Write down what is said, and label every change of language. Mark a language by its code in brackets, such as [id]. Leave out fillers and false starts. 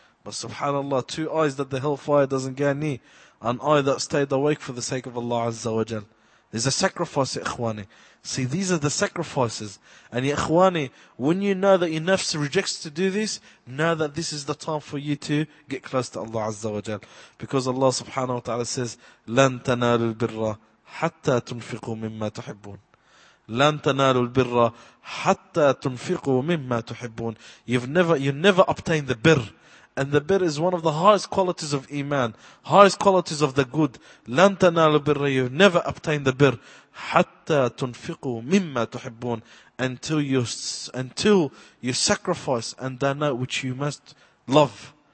[en] But subhanAllah, two eyes that the hellfire doesn't get near, an eye that stayed awake for the sake of Allah Azza wa Jal. There's a sacrifice, ikhwani. See, these are the sacrifices. And ikhwani, when you know that your nafs rejects to do this, know that this is the time for you to get close to Allah Azza wa Jal. Because Allah subhanahu wa ta'ala says, [ar] لَن تَنَالُوا الْبِرَّ حَتَّى تُنْفِقُوا مِمَّا تُحِبُّونَ لَن تَنَالُوا الْبِرَّ حَتَّى تُنْفِقُوا مِمَّا تُحِبُّونَ [en] You never obtain the birr. And the birr is one of the highest qualities of iman, highest qualities of the good. [ar] لَن تَنَالُوا الْبِرَّ [en] You never obtain the birr. [ar] حَتَّى تُنْفِقُوا مِمَّا تُحِبُّونَ [en] Until you sacrifice and donate which you must love.